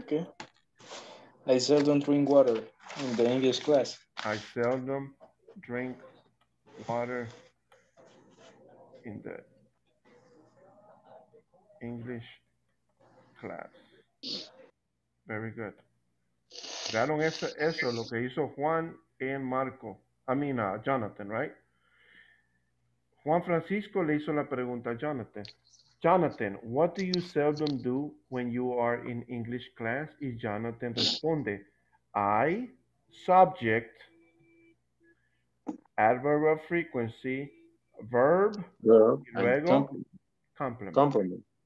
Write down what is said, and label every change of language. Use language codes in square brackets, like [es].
[en] Okay. I seldom drink water in the English class. I seldom drink water in the English class. Very good. [es] Daron eso, eso lo que hizo Juan en Marco. I mean, Jonathan, right? Juan Francisco le hizo la pregunta a Jonathan. [en] Jonathan, what do you seldom do when you are in English class? Y Jonathan responde, I, subject, adverb of frequency, verb [es] y luego, complement.